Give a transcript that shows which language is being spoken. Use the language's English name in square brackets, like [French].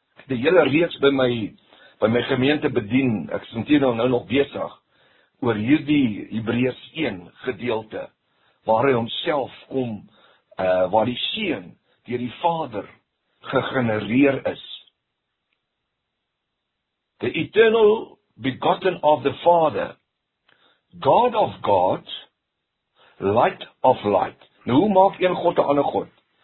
[Afrikaans] Die hele reeks by my gemeente bedien, ek sê nou nog besig, oor hierdie Hebreërs 1 gedeelte, waar hy homself kom, waar die Seun deur die Vader gegenereer is. [English] The eternal begotten of the Father, God of God, light of light. [Afrikaans] Nou, hoe maak een God een ander God?